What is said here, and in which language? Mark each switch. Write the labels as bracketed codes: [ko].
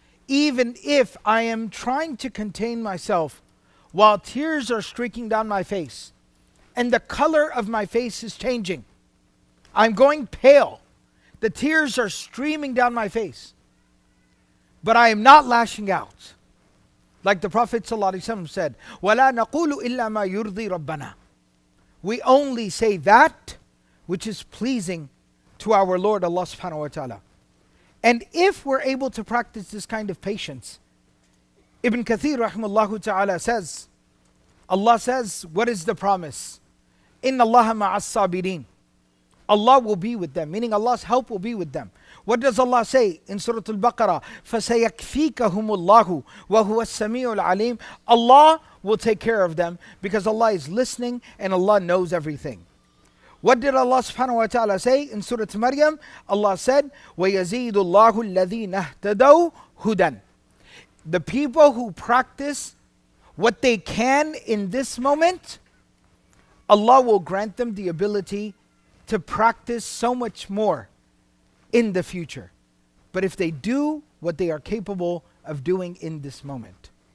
[en] Even if I am trying to contain myself while tears are streaking down my face and the color of my face is changing, I'm going pale, the tears are streaming down my face, but I am not lashing out. Like the Prophet ﷺ said, [ar] وَلَا نَقُولُ إِلَّا مَا يُرْضِي رَبَّنَا. [en] We only say that which is pleasing to our Lord Allah subhanahu wa ta'ala. And if we're able to practice this kind of patience, Ibn Kathir rahimahullahu ta'ala says, Allah says, what is the promise? [ar] إِنَّ اللَّهَ مَعَ الصَّابِرِينَ. [en] Allah will be with them, meaning Allah's help will be with them. What does Allah say in Surah Al-Baqarah? [ar] فَسَيَكْفِيكَهُمُ اللَّهُ وَهُوَ السَّمِيعُ الْعَلِيمُ. [en] Allah will take care of them because Allah is listening and Allah knows everything. What did Allah subhanahu wa ta'ala say in Surah Maryam? Allah said, [ar] وَيَزِيدُ اللَّهُ الَّذِينَ اهْتَدَوْا هُدًى. [en] The people who practice what they can in this moment, Allah will grant them the ability to practice so much more in the future. But if they do what they are capable of doing in this moment.